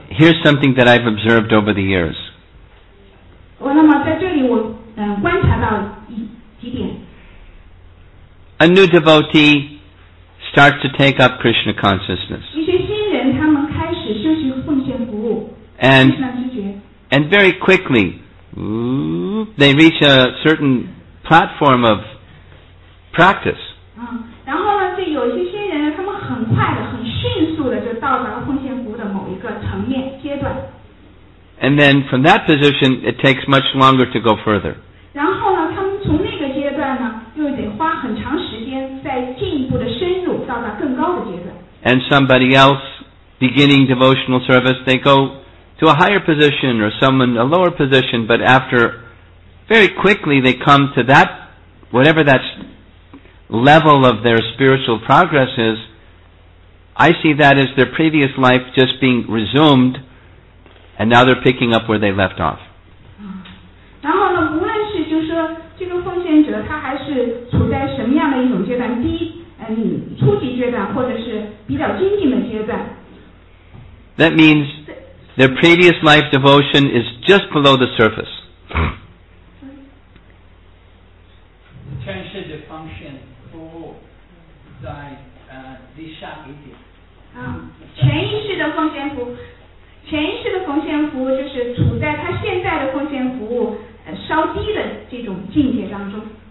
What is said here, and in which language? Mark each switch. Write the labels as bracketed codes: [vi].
[en] Here's something that I've observed over the years. [zh] 那么在这里我观察到几点。 [en] A new devotee starts to take up Krishna consciousness. [zh] 一些新人他们开始修习奉献服务。 [en] And very quickly, they reach a certain platform of practice. [zh] 然后呢，就有一些人，他们很快的、很迅速的就到达奉献服务的某一个层面阶段。 [en] And then from that position, it takes much longer to go further. [zh] 然后呢，他们从那个阶段呢，又得花很长时间再进一步的深入，到达更高的阶段。 [en] And somebody else beginning devotional service, they go. To a higher position or someone a lower position, but after very quickly they come to that, whatever that level of their spiritual progress is, I see that as their previous life just being resumed, and now they're picking up where they left off. [zh] 然后呢，无论是就是说这个奉献者他还是处在什么样的一种阶段，低初级阶段或者是比较精进的阶段。 [en] That means. Their previous life devotion is just below the surface. [zh] 前世的奉献服务在地下一点。前一世的奉献服务就是处在他现在的奉献服务稍低的这种境界当中。